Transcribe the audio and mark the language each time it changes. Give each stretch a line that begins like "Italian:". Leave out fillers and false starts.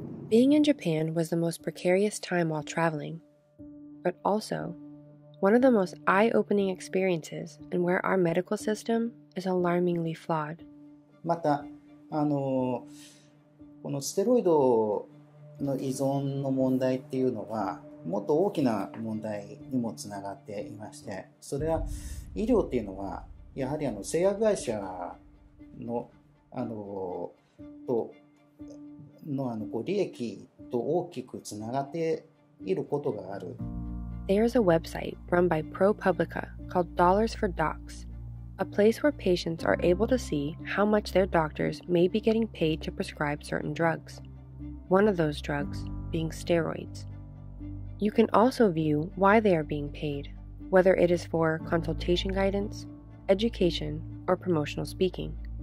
English: Being in Japan was the most precarious time while traveling, but also one of the most eye-opening experiences in where our medical system is alarmingly flawed.
Japanese: また、このステロイドの依存の問題っていうのはもっと大きな問題にもつながっていまして、それは医療っていうのはやはり製薬会社 利益と大きくつながっていることがある。
English: There is a website run by ProPublica called Dollars for Docs, a place where patients are able to see how much their doctors may be getting paid to prescribe certain drugs. One of those drugs being steroids. You can also view why they are being paid, whether it is for consultation guidance, education, or promotional speaking.